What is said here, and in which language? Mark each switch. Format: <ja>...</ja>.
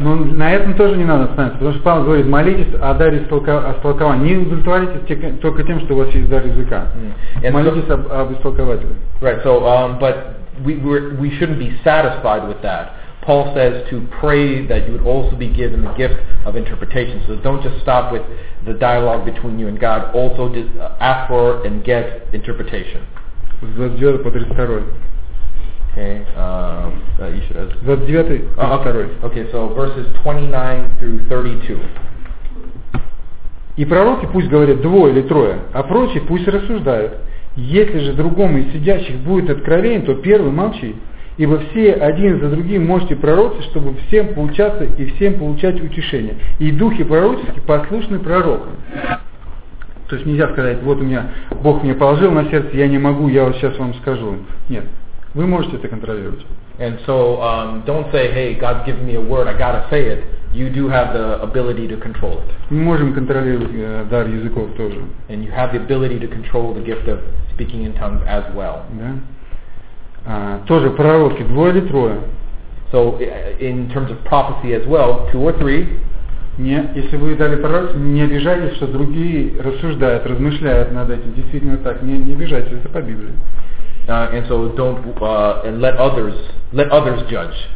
<ru>Но на этом тоже не надо останавливаться, потому что Павел говорит, молитесь о даре истолкования. Не удовлетворяйтесь только тем, что у вас есть дар языка. Mm. Молитесь so, об истолкователе.</ru> <en>Right, so, but we shouldn't be satisfied with that. Paul says to pray that you would also be given the gift of interpretation. So don't just stop with the dialogue between you and God. Also ask for and get interpretation.</en> <ru>С 29 по 32. Okay. Ещё раз. 29 по 32.</ru> <en>Okay, so verses 29 through 32.</en> <ru>И пророки пусть говорят двое или трое, а прочие пусть рассуждают. Если же другому из сидящих будет откровение, то первый молчи. Ибо все один за другим можете пророчить, чтобы всем получаться и всем получать утешение. И духи пророческие послушны пророкам. То есть нельзя сказать, вот у меня Бог мне положил на сердце, я не могу, я вот сейчас вам скажу. Нет, вы можете это контролировать.</ru> <en>And so, don't say, hey, God's given me a word, I gotta say it. You do have the ability to control it.</en> <ru>Мы можем контролировать дар языков тоже.</ru> <en>And you have the ability to control the gift of speaking in tongues as well.</en> <ru>Да. Тоже пророки, двое или трое.</ru> <en>So, in terms of prophecy as well, two or three.</en> <ru>Нет, если вы дали пророчество, не обижайтесь, что другие рассуждают, размышляют над этим. Действительно так, не обижайтесь, это по Библии.</ru> <en>And so, don't and let others judge.</en>